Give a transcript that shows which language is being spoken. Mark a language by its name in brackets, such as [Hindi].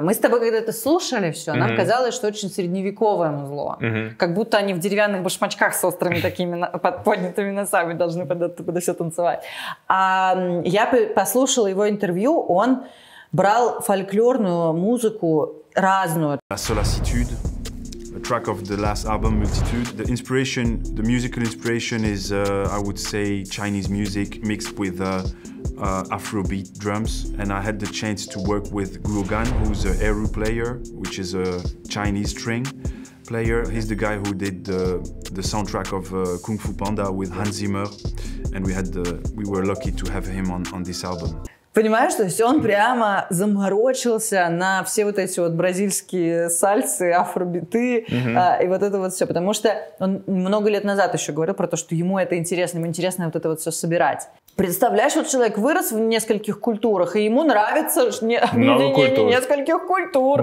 [Russian] Мы с тобой когда это слушали, все, нам mm-hmm. казалось, что очень средневековое музло. Mm-hmm. Как будто они в деревянных башмачках с острыми такими поднятыми носами должны под все танцевать. А я послушала его интервью, он брал фольклорную музыку разную. [English] La Solacitude, a track of the last album Multitude. The inspiration, the musical inspiration is, I would say, Chinese music mixed with Afrobeat drums. And I had the chance to work with Guogan, who's a eru player, which is a Chinese string player. He's the guy who did the soundtrack of Kung Fu Panda with Hans Zimmer, and we were lucky to have him on this album. [Russian] Понимаешь, то есть он прямо заморочился на все вот эти вот бразильские сальсы, афробиты mm-hmm. И вот это вот все. Потому что он много лет назад еще говорил про то, что ему это интересно, ему интересно вот это вот все собирать. Представляешь, вот человек вырос в нескольких культурах, и ему нравится объединение нескольких культур.